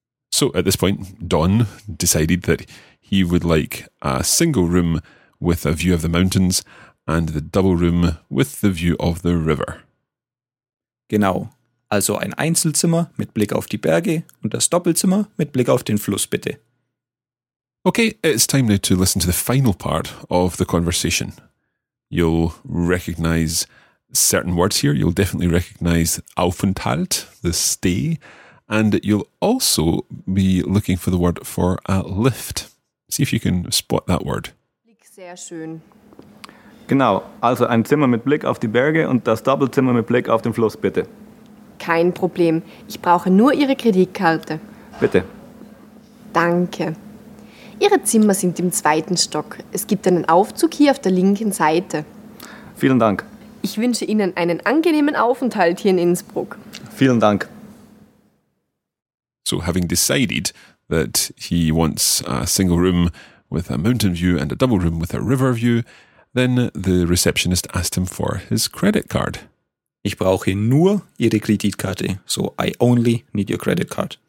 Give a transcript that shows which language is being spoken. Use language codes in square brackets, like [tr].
[en] So at this point, Don decided that he would like a single room with a view of the mountains and the double room with the view of the river. [de] Genau. Also ein Einzelzimmer mit Blick auf die Berge und das Doppelzimmer mit Blick auf den Fluss, bitte. [en] Okay, it's time now to listen to the final part of the conversation. You'll recognize certain words here. You'll definitely recognize Aufenthalt, the stay. And you'll also be looking for the word for a lift. See if you can spot that word. [de] Blick sehr schön. Genau, also ein Zimmer mit Blick auf die Berge und das Doppelzimmer mit Blick auf den Fluss, bitte. Kein Problem, ich brauche nur Ihre Kreditkarte. Bitte. Danke. Ihre Zimmer sind im 2. Stock. Es gibt einen Aufzug hier auf der linken Seite. Vielen Dank. Ich wünsche Ihnen einen angenehmen Aufenthalt hier in Innsbruck. Vielen Dank. [en] So having decided that he wants a single room with a mountain view and a double room with a river view, then the receptionist asked him for his credit card. [de] Ich brauche nur Ihre Kreditkarte. [en] So I only need your credit card.